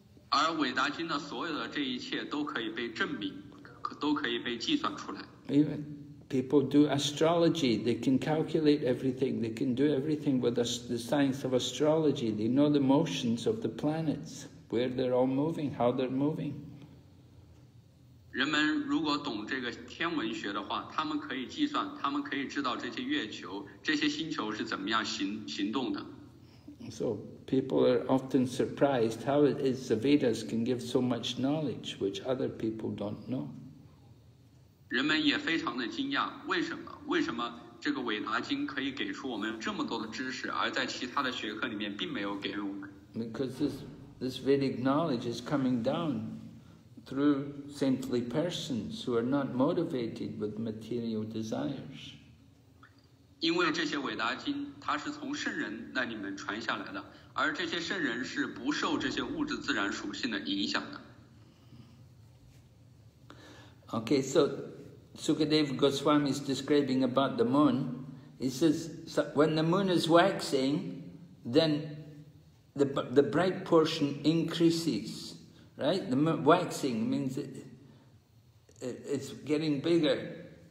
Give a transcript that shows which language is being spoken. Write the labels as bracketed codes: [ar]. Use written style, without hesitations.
[zh] 而伟达经的所有的这一切都可以被证明，都可以被计算出来。 [en] Even people do astrology, they can calculate everything, they can do everything with the science of astrology. They know the motions of the planets, where they're all moving, how they're moving. [zh] 人们如果懂这个天文学的话，他们可以计算，他们可以知道这些月球、这些星球是怎么样行动的。 [en] So people are often surprised how it is the Vedas can give so much knowledge which other people don't know. [zh] 人们也非常的惊讶，为什么这个韦达经可以给出我们这么多的知识，而在其他的学科里面并没有给我们。 [en] Because this Vedic knowledge is coming down. Through saintly persons who are not motivated with material desires. [zh] 因为这些伟达经，它是从圣人那里面传下来的，而这些圣人是不受这些物质自然属性的影响的。 [en] Okay, so Sukadeva Goswami is describing about the moon. He says, so when the moon is waxing, then the bright portion increases. Right, the waxing means it's getting bigger.